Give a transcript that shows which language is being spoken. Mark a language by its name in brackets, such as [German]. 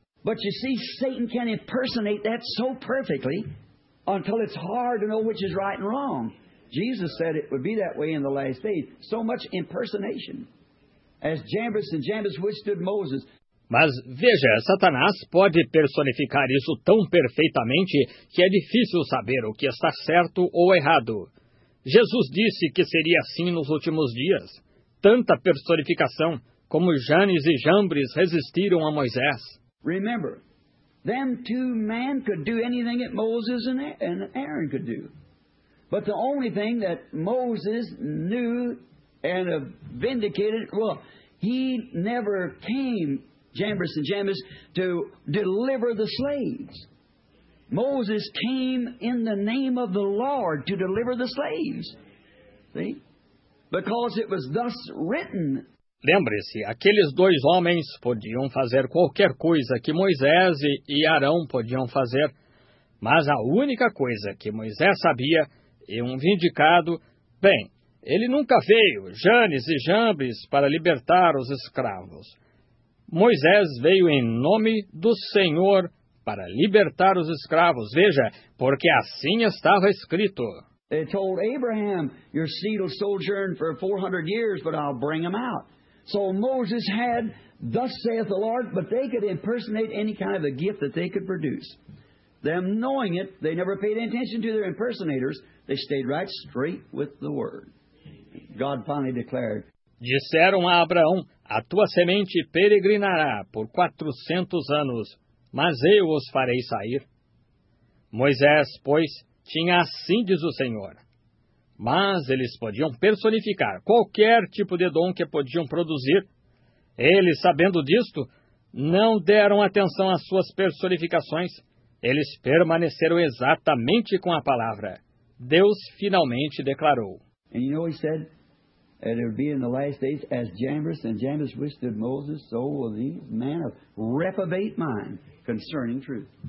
[English] But you see, Satan can impersonate that so perfectly until it's hard to know which is right and wrong. Jesus said it would be that way in the last days. So much impersonation. As Jambres and Jambres withstood Moses. [Portuguese] Mas veja, Satanás pode personificar isso tão perfeitamente que é difícil saber o que está certo ou errado. Jesus disse que seria assim nos últimos dias. Tanta personificação como Jannes e Jambres resistiram a Moisés. [English] Remember, them two men could do anything that Moses and Aaron could do. But the only thing that Moses knew and vindicated, well, he never came, Jambres and Jambres, to deliver the slaves. Moses came in the name of the Lord to deliver the slaves. See? Because it was thus written. [Portuguese] Lembre-se, aqueles dois homens podiam fazer qualquer coisa que Moisés e Arão podiam fazer, mas a única coisa que Moisés sabia, e um vindicado, bem, ele nunca veio, Jannes e Jambres, para libertar os escravos. Moisés veio em nome do Senhor para libertar os escravos. Veja, porque assim estava escrito. [English] It told Abraham, your seed will sojourn for 400 years, but I'll bring him out. So Moses had, thus saith the Lord, but they could impersonate any kind of a gift that they could produce. Them knowing it, they never paid attention to their impersonators. They stayed right straight with the word. God finally declared. [Portuguese] Disseram a Abraão, a tua semente peregrinará por 400 anos, mas eu os farei sair. Moisés, pois, tinha assim, diz o Senhor. Mas eles podiam personificar qualquer tipo de dom que podiam produzir. Eles, sabendo disto, não deram atenção às suas personificações. Eles permaneceram exatamente com a palavra. Deus finalmente declarou. [English] E you know, he said, it would be in the last days, as Jambres and Jambres withstood Moses, so will these men of reprobate mind concerning truth.